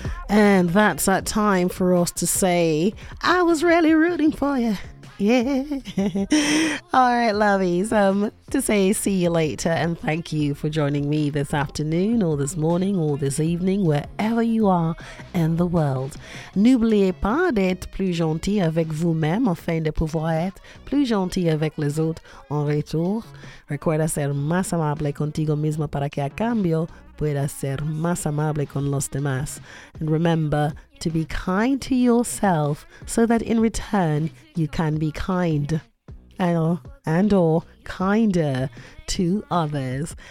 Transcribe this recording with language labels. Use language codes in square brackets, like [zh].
[en] And that's that time for us to say, I was really rooting for you. Yeah. All right, lovies. To say see you later and thank you for joining me this afternoon or this morning or this evening, wherever you are in the world. [fr] N'oubliez pas d'être plus gentil avec vous-même afin de pouvoir être plus gentil avec les autres en retour. [es] Recuerda ser más amable contigo mismo para que a cambio pueda ser más amable con los demás. [en] And remember to be kind to yourself so that in return you can be kind and or kinder to others.